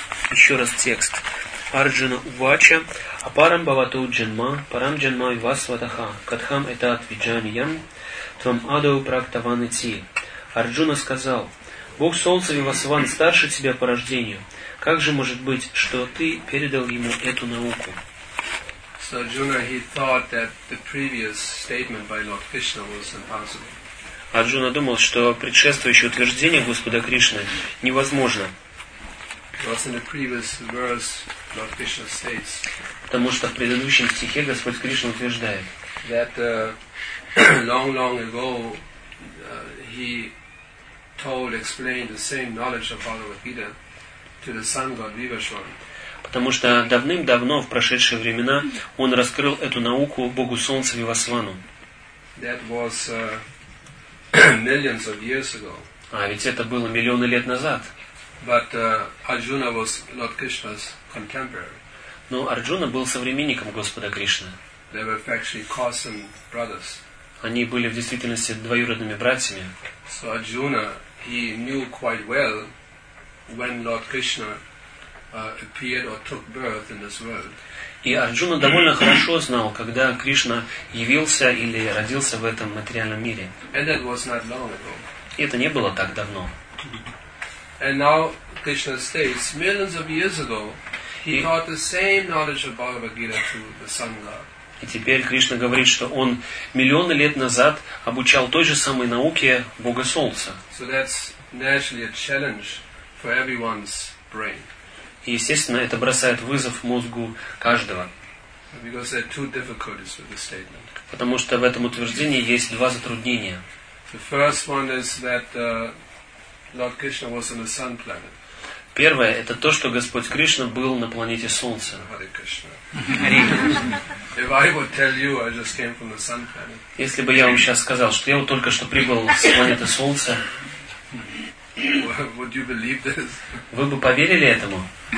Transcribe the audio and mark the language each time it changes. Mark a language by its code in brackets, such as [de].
[sa] Еще раз текст. Арджуна увача, апарам бхавату джанма, парам джанма вивасватаха, катхам этат виджаниям, твам адау практаван ити. [ru] Арджуна сказал: «Бог Солнца Вивасван старше тебя по рождению. Как же может быть, что ты передал ему эту науку?» [en] So Arjuna, he thought that the previous statement by Lord Krishna was impossible. [ru] Арджуна думал, что предшествующее утверждение Господа Кришны невозможно. [en] Because in the previous verse Lord Krishna states. [ru] Потому что в предыдущем стихе Господь Кришна утверждает. [en] That long ago he told, explained the same knowledge of Bhagavad Gita to the sun god Vivaswan. [ru] Потому что давным-давно, в прошедшие времена, он раскрыл эту науку Богу Солнца Вивасвану. [en] That was, millions of years ago. [ru] А ведь это было миллионы лет назад. [en] But, Arjuna was Lord Krishna's contemporary. [ru] Но Арджуна был современником Господа Кришны. [en] They were actually cousin brothers. [ru] Они были в действительности двоюродными братьями. [en] So Arjuna, he knew quite well when Lord Krishna appeared or took birth in this world. [ru] И Арджуна довольно хорошо знал, когда Кришна явился или родился в этом материальном мире. [en] And that was not long ago. [ru] И это не было так давно. [en] And now Krishna states, millions of years ago, he taught the same knowledge of Bhagavad Gita to the Sangha. [ru] И теперь Кришна говорит, что он миллионы лет назад обучал той же самой науке Бога Солнца. [en] So that's naturally a challenge for everyone's brain. [ru] И, естественно, это бросает вызов мозгу каждого. [en] Because there are two difficulties with the statement. [ru] Потому что в этом утверждении есть два затруднения. [en] The first one is that Lord Krishna was on the sun planet. [ru] Первое – это то, что Господь Кришна был на планете Солнца. Если бы я вам сейчас сказал, что я вот только что прибыл с планеты Солнца, вы бы поверили этому?